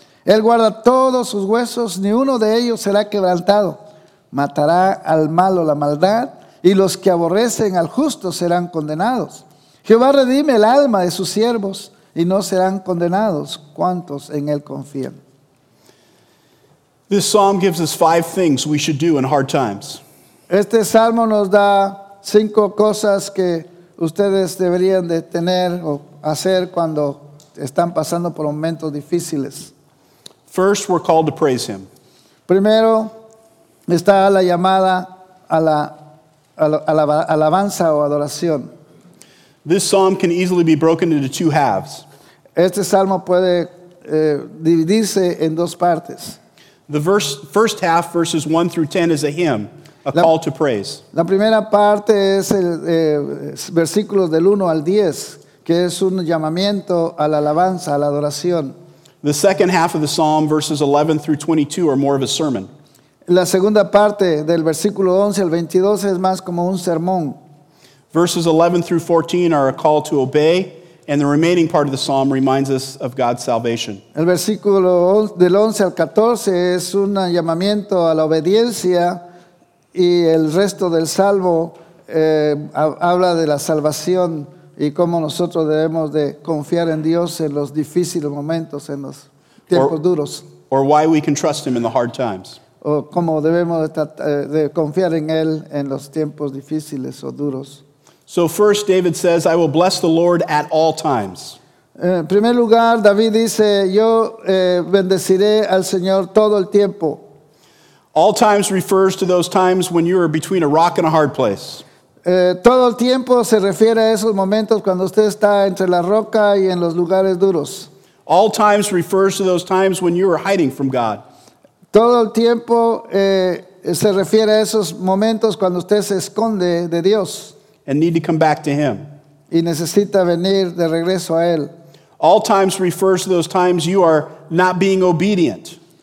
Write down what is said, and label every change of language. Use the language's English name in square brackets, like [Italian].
[Spanish] Él guarda todos sus huesos, ni uno de ellos será quebrantado. Matará al malo la maldad, y los que aborrecen al justo serán condenados. Jehová redime el alma de sus siervos, y no serán condenados cuantos en él confían. [English] This psalm gives us five things we should do in hard times. [Spanish] Este salmo nos da cinco cosas que ustedes deberían de tener o hacer cuando están pasando por momentos difíciles. [English] First, we're called to praise him. [Spanish] Primero, está la llamada a la alabanza o adoración. [English] This psalm can easily be broken into two halves. [Spanish] Este salmo puede dividirse en dos partes. [English] The first half, verses 1 through 10, is a hymn, call to praise. [Spanish] La primera parte es el versículos del 1 al 10, que es un llamamiento a la alabanza, a la adoración. [English] The second half of the psalm, verses 11 through 22, are more of a sermon. [Spanish] La segunda parte del versículo 11 al 22 es más como un sermón. [English] Verses 11 through 14 are a call to obey, and the remaining part of the psalm reminds us of God's salvation. [Spanish] El versículo del 11 al 14 es un llamamiento a la obediencia, y el resto del salmo habla de la salvación y cómo nosotros debemos de confiar en Dios en los difíciles momentos, en los tiempos duros. [English] Or why we can trust him in the hard times. [Spanish] O cómo debemos de confiar en él en los tiempos difíciles o duros. [English] So first David says, I will bless the Lord at all times. [Spanish] En primer lugar, David dice, yo bendeciré al Señor todo el tiempo. [English] All times refers to those times when you are between a rock and a hard place. [Spanish] Todo el tiempo se refiere a esos momentos cuando usted está entre la roca y en los lugares duros. [English] All times refers to those times when you are hiding from God. [Spanish] Todo el tiempo se refiere a esos momentos cuando usted se esconde de Dios. [English] And need to come back to Him. [Spanish] Y necesita venir de regreso a Él. [English] All times refers to those times you are not being obedient.